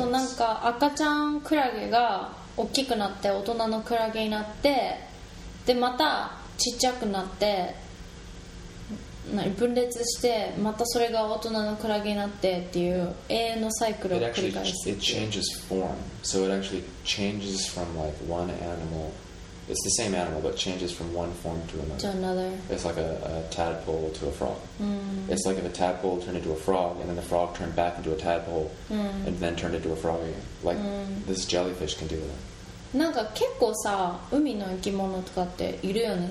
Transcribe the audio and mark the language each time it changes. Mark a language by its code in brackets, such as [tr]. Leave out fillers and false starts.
[ja] そう、なんか赤ちゃんクラゲが大きくなって大人のクラゲになって、でまたちっちゃくなって、なに分裂してまたそれが大人のクラゲになってっていう永遠のサイクルを繰り返す。 [en] It changes form. So it actually changes from like one animal. It's the same animal, but changes from one form to another. To another. It's like a tadpole to a frog. It's like if a tadpole turned into a frog, and then the frog turned back into a tadpole, and then turned into a frog again. Like this jellyfish can do that. [ja] なんか結構さ、海の生き物とかっているよね。